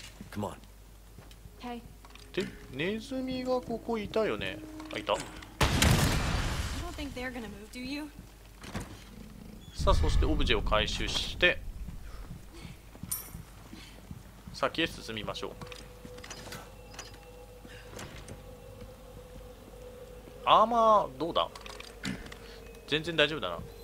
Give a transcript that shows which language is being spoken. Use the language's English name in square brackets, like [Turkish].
[English] Come on. Hey. [Japanese] でネズミがここいたよね。あ、いた。 [English] You don't think they're gonna move, do you? [Japanese] さあそしてオブジェを回収して先へ進みましょう。アーマーどうだ。全然大丈夫だな。